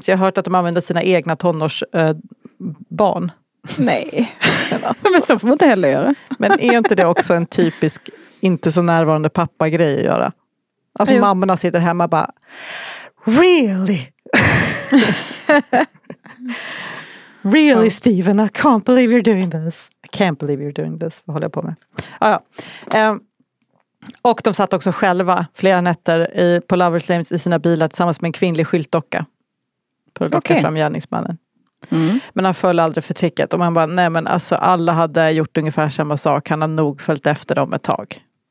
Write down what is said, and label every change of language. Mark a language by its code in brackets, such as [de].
[sv] Så jag har hört att de använder sina egna tonårsbarn. Nej, men, alltså. Men så får man inte heller göra. Men är inte det också en typisk, inte så närvarande pappa-grej att göra? Alltså mammorna sitter hemma och bara, really? [en] Really, Steven, I can't believe you're doing this. I can't believe you're doing this. [sv] Vad håller jag på med? Ah, ja. Och de satt också själva flera nätter på Lovers Lane i sina bilar tillsammans med en kvinnlig skyltdocka för att locka fram gärningsmannen. Men han föll aldrig för tricket. Och man bara, nej men alltså, alla hade gjort ungefär samma sak. Han har nog följt efter dem ett tag.